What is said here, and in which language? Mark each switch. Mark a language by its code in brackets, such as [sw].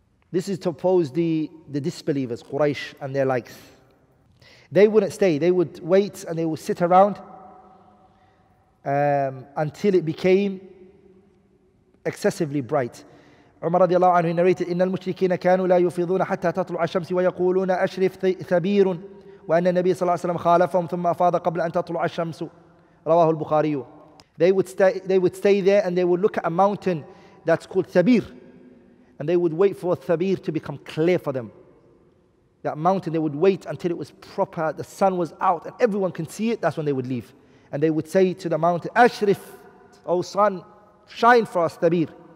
[en] This is to oppose the disbelievers, Quraysh and their likes. They wouldn't stay. They would wait and they would sit around until it became excessively bright. Umar radiallahu anhu narrated, [ar] إِنَّ الْمُشْرِكِينَ كَانُوا لَا يُفِضُونَ حَتَّى تَطْلُعَ الشَّمْسِ وَيَقُولُونَ أَشْرِفْ ثَبِيرٌ وَأَنَّ النَّبِيَ صَلَّى اللَّهُ عَلَيْهِ وَسَلَّمَ خَالَفَهُمْ ثُمَّ أَفَاضَ قَبْلَ أَن تَطْلُعَ الشَّمْسُ. رواه البخاري. [en] They would stay there and they would look at a mountain that's called Thabir. And they would wait for Thabir to become clear for them. That mountain, they would wait until it was proper, the sun was out and everyone can see it, that's when they would leave. And they would say to the mountain, Ashrif, O sun, shine for us, Thabir.